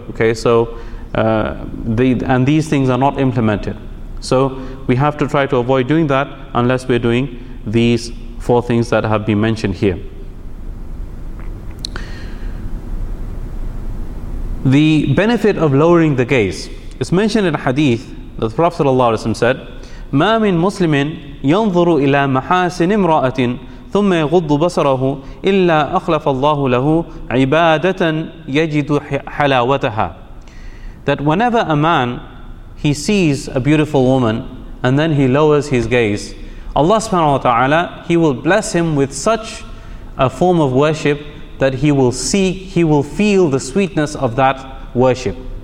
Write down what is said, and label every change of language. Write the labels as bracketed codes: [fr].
[en] Okay, so and these things are not implemented. So we have to try to avoid doing that unless we're doing these four things that have been mentioned here. The benefit of lowering the gaze. It's mentioned in a hadith that the Prophet ﷺ said, [ar] مَا مِن مُسْلِمٍ يَنْظُرُ إِلَى مَحَاسِنِ امْرَأَةٍ ثُمَّ يَغُضُّ بَصَرَهُ إِلَّا أَخْلَفَ اللَّهُ لَهُ عِبَادَةً يَجِدُ حَلَاوَتَهَا. [en] That whenever a man, he sees a beautiful woman and then he lowers his gaze, Allah subhanahu wa ta'ala, he will bless him with such a form of worship that he will see, he will feel the sweetness of that worship.